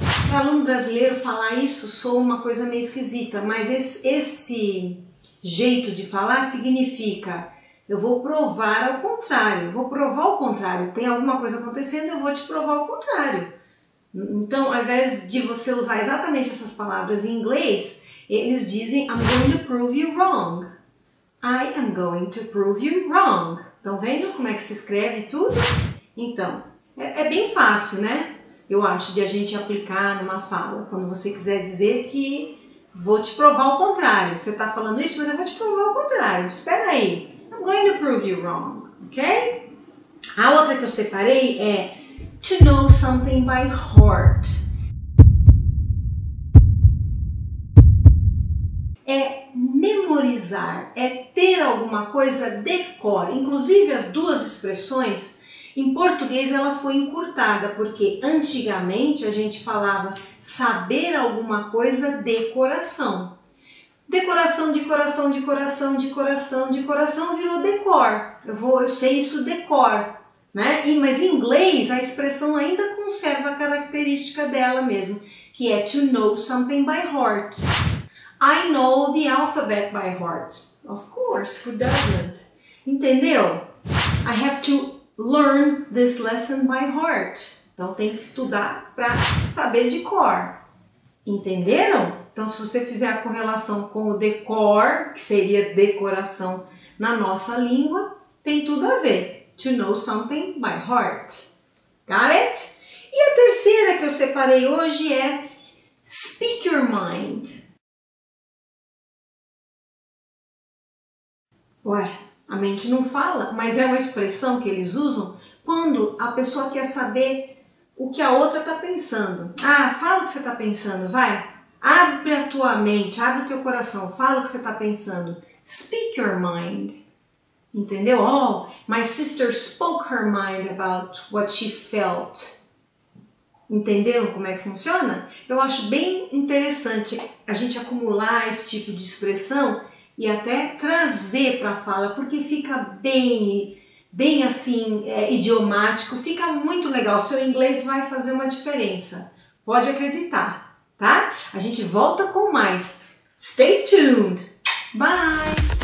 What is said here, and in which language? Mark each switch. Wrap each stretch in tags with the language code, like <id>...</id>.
<pt>Para aluno brasileiro falar isso soa uma coisa meio esquisita, mas esse jeito de falar significa: eu vou provar ao contrário, vou provar o contrário. Tem alguma coisa acontecendo, eu vou te provar o contrário. Então, ao invés de você usar exatamente essas palavras em inglês, eles dizem I'm going to prove you wrong.</pt> <en>I am going to prove you wrong.</en> <pt>Estão vendo como é que se escreve tudo? Então, é bem fácil, né? Eu acho, de a gente aplicar numa fala, quando você quiser dizer que vou te provar o contrário. Você está falando isso, mas eu vou te provar o contrário. Espera aí.</pt> <en>I'm going to prove you wrong, ok?</en> <pt>A outra que eu separei é to know something by heart. É memorizar, é ter alguma coisa de cor. Inclusive, as duas expressões, em português ela foi encurtada, porque antigamente a gente falava saber alguma coisa de coração. Decoração de coração, de coração, de coração, de coração, virou decor. Eu sei isso decor, né? Mas em inglês a expressão ainda conserva a característica dela mesmo, que é to know something by heart.</pt> <en>I know the alphabet by heart. Of course, who doesn't? Entendeu? I have to learn this lesson by heart.</en> <pt>Então tem que estudar para saber de cor. Entenderam? Então, se você fizer a correlação com o decor, que seria decoração na nossa língua, tem tudo a ver.</pt> <en>To know something by heart. Got it?</en> <pt>E a terceira que eu separei hoje é speak your mind. Ué, a mente não fala, mas é uma expressão que eles usam quando a pessoa quer saber o que a outra está pensando. Ah, fala o que você está pensando, vai. Abre a tua mente, abre o teu coração, fala o que você está pensando.</pt> <en>Speak your mind. Entendeu? Oh, my sister spoke her mind about what she felt.</en> <pt>Entenderam como é que funciona? Eu acho bem interessante a gente acumular esse tipo de expressão e até trazer para a fala, porque fica bem assim, idiomático, fica muito legal. Seu inglês vai fazer uma diferença. Pode acreditar, tá? A gente volta com mais. Stay tuned. Bye!</pt>